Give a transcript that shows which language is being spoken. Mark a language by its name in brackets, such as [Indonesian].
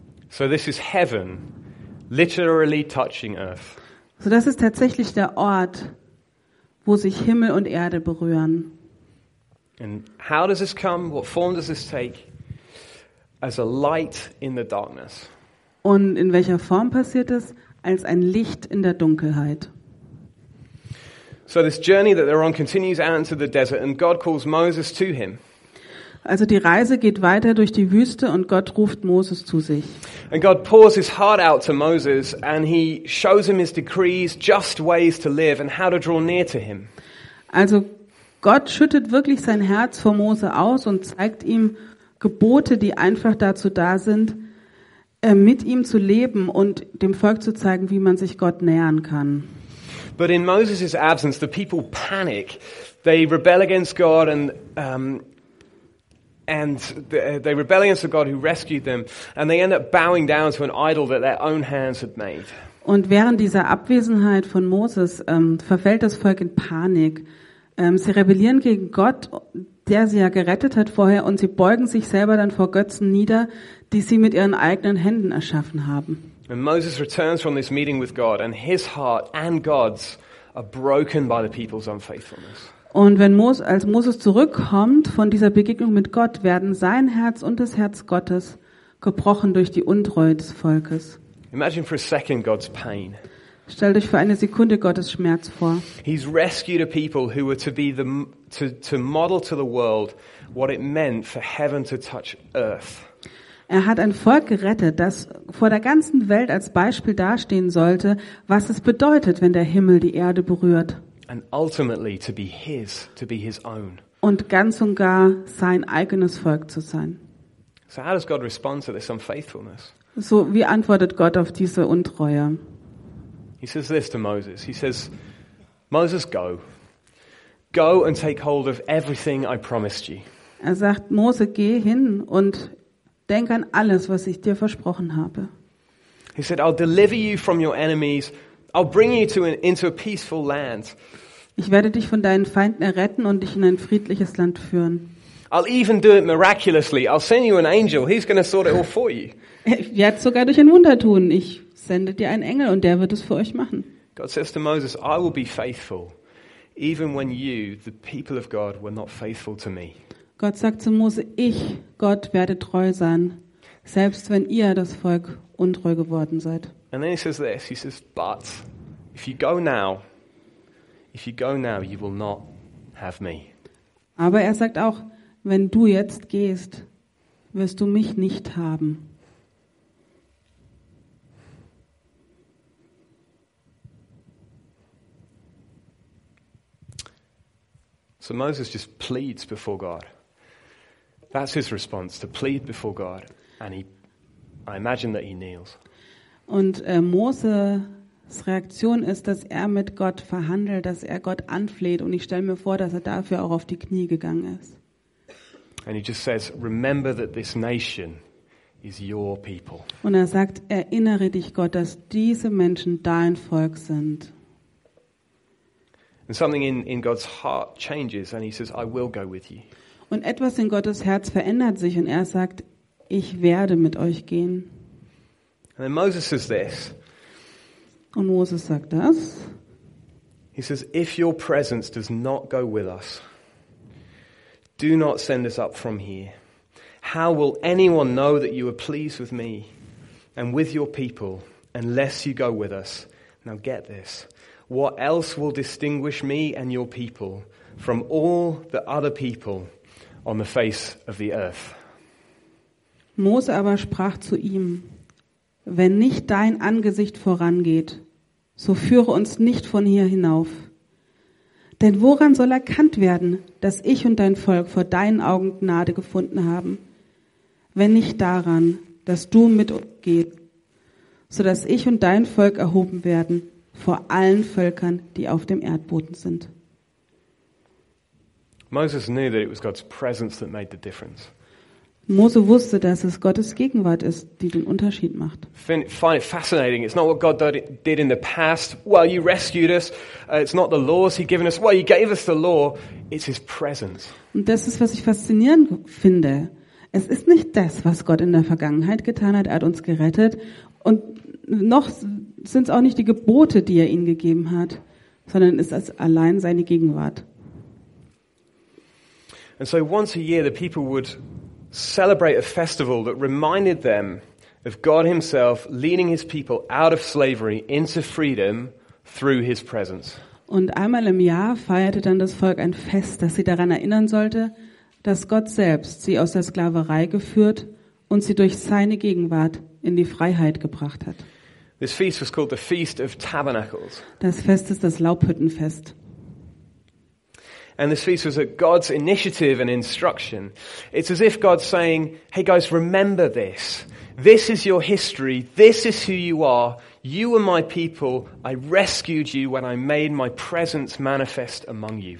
[English] So this is heaven literally touching earth. [German] So das ist tatsächlich der Ort, wo sich Himmel und Erde berühren. [English] And how does this come? What form does this take? As a light in the darkness. [German] Und in welcher Form passiert es? Als ein Licht in der Dunkelheit. [English] So this journey that they're on continues out into the desert and God calls Moses to him. [German] Also die Reise geht weiter durch die Wüste und Gott ruft Moses zu sich. [English] And God pours his heart out to Moses and he shows him his decrees, just ways to live and how to draw near to him. [German] Also Gott schüttet wirklich sein Herz vor Mose aus und zeigt ihm Gebote, die einfach dazu da sind, mit ihm zu leben und dem Volk zu zeigen, wie man sich Gott nähern kann. [English] But in Moses' absence the people panic. They rebel against God and they rebel against the God who rescued them and they end up bowing down to an idol that their own hands had made. [German] Und während dieser Abwesenheit von Moses verfällt das Volk in Panik. Sie rebellieren gegen Gott, der sie ja gerettet hat vorher, und sie beugen sich selber dann vor Götzen nieder, die sie mit ihren eigenen Händen erschaffen haben. [English] And Moses returns from this meeting with God, and his heart and God's are broken by the people's unfaithfulness. [German] Und wenn Moses zurückkommt von dieser Begegnung mit Gott, werden sein Herz und das Herz Gottes gebrochen durch die Untreue des Volkes. [English] Imagine for a second God's pain. [German] Stellt euch für eine Sekunde Gottes Schmerz vor. [English] He's rescued a people who were to be to model to the world what it meant for heaven to touch earth. [German] Er hat ein Volk gerettet, das vor der ganzen Welt als Beispiel dastehen sollte, was es bedeutet, wenn der Himmel die Erde berührt. [English] And ultimately to be his, to be his own. [German] Und ganz und gar sein eigenes Volk zu sein. [English] So how does God respond to this unfaithfulness? [German] So wie antwortet Gott auf diese Untreue? [English] He says this to Moses. He says, Moses, go. Go and take hold of everything I promised you. [German] Er sagt, Mose, geh hin und denk an alles, was ich dir versprochen habe. [English] He said, I'll deliver you from your enemies. I'll bring you into a peaceful land. [German] Ich werde dich von deinen Feinden erretten und dich in ein friedliches Land führen. [English] I'll even do it miraculously. I'll send you an angel. He's going to sort it all for you. [German] Ich werde es sogar durch ein Wunder tun. Ich sende dir einen Engel und der wird es für euch machen. [English] God says to Moses, I will be faithful even when you, the people of God, were not faithful to me. [German] Gott sagt zu Mose, ich, Gott, werde treu sein, selbst wenn ihr das Volk untreu geworden seid. [English] And then he says this, he says, but if you go now, you will not have me. [German] Aber er sagt auch, wenn du jetzt gehst, wirst du mich nicht haben. [English] So Moses just pleads before God. That's his response, to plead before God. And I imagine that he kneels. [German] Und Moses Reaktion ist, dass er mit Gott verhandelt, dass er Gott anfleht. Und ich stelle mir vor, dass er dafür auch auf die Knie gegangen ist. [English] And he just says, remember that this nation is your people. [German] Und er sagt, erinnere dich Gott, dass diese Menschen dein Volk sind. [English] And something in God's heart changes and he says, I will go with you. [German] Und etwas in Gottes Herz verändert sich und er sagt, ich werde mit euch gehen. [English] And then Moses says this. [German] Und Moses sagt das. [English] He says, if your presence does not go with us, do not send us up from here. How will anyone know that you are pleased with me and with your people unless you go with us? Now get this. What else will distinguish me and your people from all the other people on the face of the earth? [German] Mose aber sprach zu ihm, wenn nicht dein Angesicht vorangeht, so führe uns nicht von hier hinauf. Denn woran soll erkannt werden, dass ich und dein Volk vor deinen Augen Gnade gefunden haben, wenn nicht daran, dass du mit uns gehst, sodass ich und dein Volk erhoben werden vor allen Völkern, die auf dem Erdboden sind. [English] Moses knew that it was God's presence that made the difference. [German] Mose wusste, dass es Gottes Gegenwart ist, die den Unterschied macht. [English] Find it fascinating. It's not what God did in the past. Well, you rescued us. It's not the laws he's given us. Well, you gave us the law. It's his presence. [German] Und das ist, was ich faszinierend finde. Es ist nicht das, was Gott in der Vergangenheit getan hat. Er hat uns gerettet. Und noch sind es auch nicht die Gebote, die er ihnen gegeben hat, sondern ist es allein seine Gegenwart. [English] And so once a year the people would celebrate a festival that reminded them of God himself leading his people out of slavery into freedom through his presence. [German] Und einmal im Jahr feierte dann das Volk ein Fest, das sie daran erinnern sollte, dass Gott selbst sie aus der Sklaverei geführt und sie durch seine Gegenwart in die Freiheit gebracht hat. [English] This feast was called the Feast of Tabernacles. [German] Das Fest ist das Laubhüttenfest. [English] And this feast was at God's initiative and instruction. It's as if God's saying, hey guys, remember this. This is your history. This is who you are. You are my people. I rescued you when I made my presence manifest among you.